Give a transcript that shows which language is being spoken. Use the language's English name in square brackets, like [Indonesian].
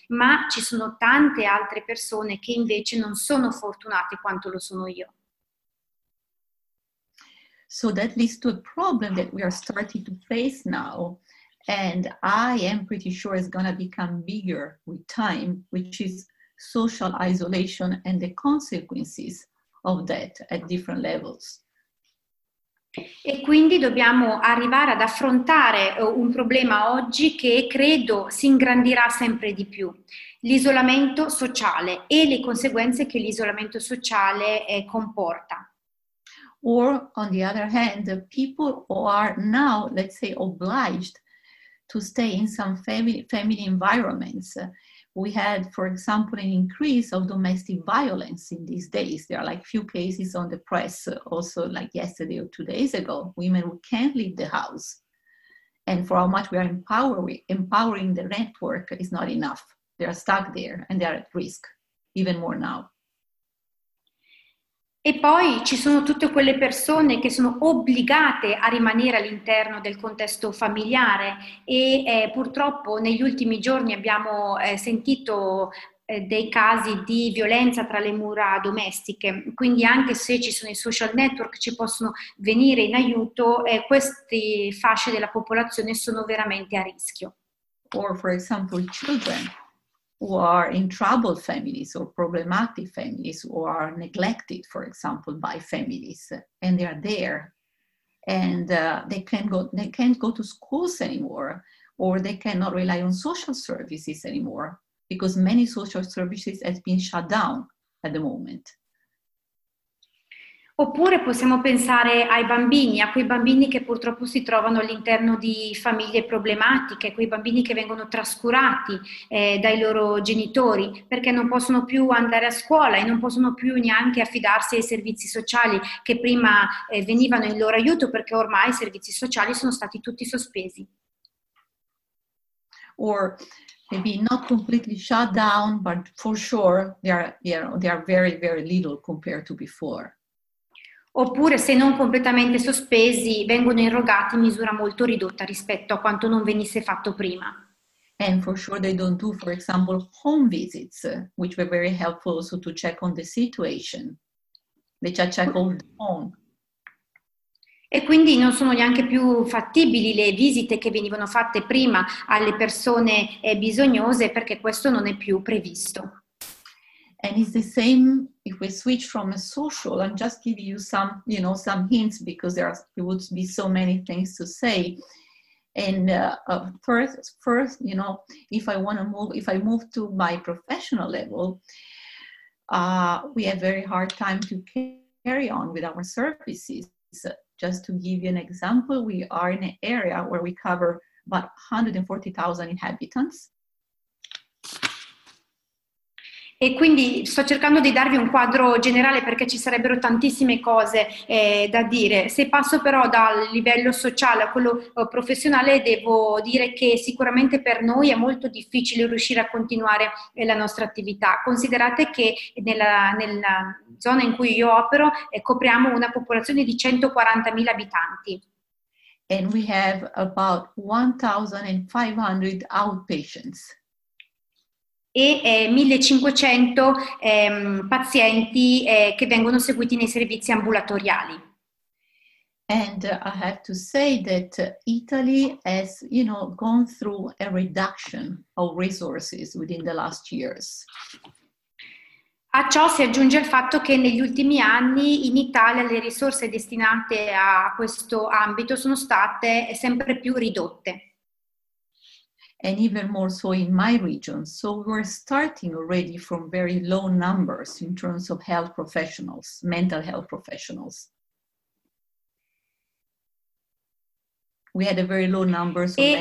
[Italian] Ma ci sono tante altre persone che invece non sono fortunate quanto lo sono io. [English] So that leads to a problem that we are starting to face now, and I am pretty sure it's going to become bigger with time, which is social isolation and the consequences of that at different levels. [Italian] E quindi dobbiamo arrivare ad affrontare un problema oggi che credo si ingrandirà sempre di più, l'isolamento sociale e le conseguenze che l'isolamento sociale comporta. [English] Or, on the other hand, the people who are now, let's say, obliged to stay in some family environments. We had, for example, an increase of domestic violence in these days. There are like few cases on the press, also like yesterday or 2 days ago, women who can't leave the house. And for how much we are empowering the network is not enough. They are stuck there and they are at risk, even more now. [Italian] E poi ci sono tutte quelle persone che sono obbligate a rimanere all'interno del contesto familiare e purtroppo negli ultimi giorni abbiamo sentito dei casi di violenza tra le mura domestiche. Quindi anche se ci sono i social network che ci possono venire in aiuto, queste fasce della popolazione sono veramente a rischio. [English] Or for example children who are in troubled families or problematic families who are neglected, for example, by families, and they are there. And they can't go to schools anymore, or they cannot rely on social services anymore, because many social services have been shut down at the moment. [Italian] Oppure possiamo pensare ai bambini, a quei bambini che purtroppo si trovano all'interno di famiglie problematiche, quei bambini che vengono trascurati dai loro genitori perché non possono più andare a scuola e non possono più neanche affidarsi ai servizi sociali che prima venivano in loro aiuto perché ormai i servizi sociali sono stati tutti sospesi. [English] Or maybe not completely shut down, but for sure they are very, very little compared to before. [Italian] Oppure se non completamente sospesi vengono irrogati in misura molto ridotta rispetto a quanto non venisse fatto prima. [English] And for sure they don't do, for example, home visits, which were very helpful also to check on the situation. They just check on the home. [Italian] E quindi non sono neanche più fattibili le visite che venivano fatte prima alle persone bisognose perché questo non è più previsto. [English] And it's the same if we switch from a social, I'm just giving you some, you know, some hints because there would be so many things to say. And first, you know, if I move to my professional level, we have very hard time to carry on with our services. So just to give you an example, we are in an area where we cover about 140,000 inhabitants. [Italian] E quindi sto cercando di darvi un quadro generale perché ci sarebbero tantissime cose da dire. Se passo però dal livello sociale a quello professionale, devo dire che sicuramente per noi è molto difficile riuscire a continuare la nostra attività. Considerate che nella zona in cui io opero copriamo una popolazione di 140.000 abitanti. [English] And we have about 1,500 outpatients. [Italian] E 1.500 pazienti che vengono seguiti nei servizi ambulatoriali. [English] And I have to say that Italy has, you know, gone through a reduction of resources within the last years. [Italian] A ciò si aggiunge il fatto che negli ultimi anni in Italia le risorse destinate a questo ambito sono state sempre più ridotte. [English] And even more so in my region. So we're starting already from very low numbers in terms of health professionals, mental health professionals. We had a very low numbers.